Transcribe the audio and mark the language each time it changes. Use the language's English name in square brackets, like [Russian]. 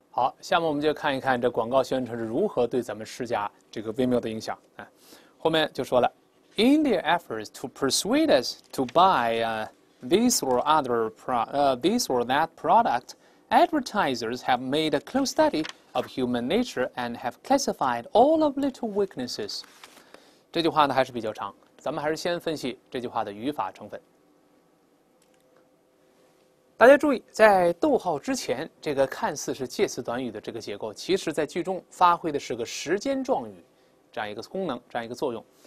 [Chinese] 好，下面我们就看一看这广告宣传是如何对咱们施加这个微妙的影响啊。后面就说了， [English] In their efforts to persuade us to buy this or other this or that product, advertisers have made a close study of human nature and have classified all of little weaknesses。 [Chinese] 这句话呢还是比较长，咱们还是先分析这句话的语法成分。大家注意，在逗号之前，这个看似是介词短语的这个结构，其实在句中发挥的是个时间状语，这样一个功能，这样一个作用。